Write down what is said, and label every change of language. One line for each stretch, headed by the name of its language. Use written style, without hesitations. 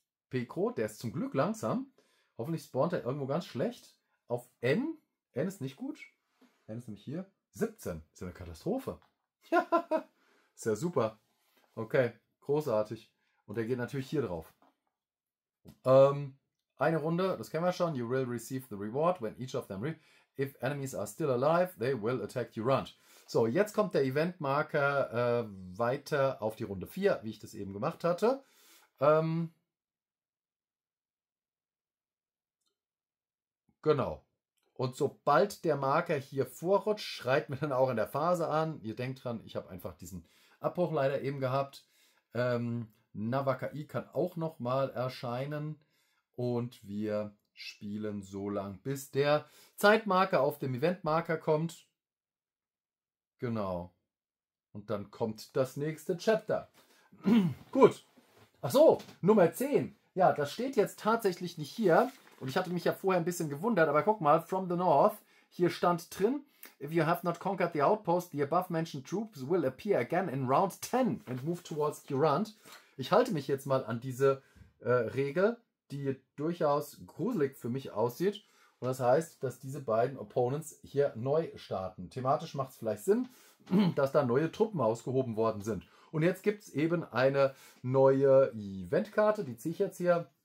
German: Pekro, der ist zum Glück langsam. Hoffentlich spawnt er irgendwo ganz schlecht. Auf N. N ist nicht gut. N ist nämlich hier. 17. Ist ja eine Katastrophe. Ja. Ist ja super. Okay, großartig. Und der geht natürlich hier drauf. Eine Runde, das kennen wir schon.
English: You will receive the reward when each of them... If enemies are still alive, they will attack you round.
German: So, jetzt kommt der Eventmarker weiter auf die Runde 4, wie ich das eben gemacht hatte. Genau. Und sobald der Marker hier vorrutscht, schreit mir dann auch in der Phase an. Ihr denkt dran, ich habe einfach diesen Abbruch leider eben gehabt. Nawakai kann auch nochmal erscheinen. Und wir spielen so lang, bis der Zeitmarker auf dem Eventmarker kommt. Genau. Und dann kommt das nächste Chapter. Gut. Ach so, Nummer 10. Ja, das steht jetzt tatsächlich nicht hier. Und ich hatte mich ja vorher ein bisschen gewundert. Aber guck mal,
English: from the north.
German: Hier stand drin,
English: if you have not conquered the outpost, the above mentioned troops will appear again in round 10 and move towards Durant.
German: Ich halte mich jetzt mal an diese Regel, die durchaus gruselig für mich aussieht. Und das heißt, dass diese beiden Opponents hier neu starten. Thematisch macht es vielleicht Sinn, dass da neue Truppen ausgehoben worden sind. Und jetzt gibt es eben eine neue Eventkarte, die ziehe ich jetzt hier.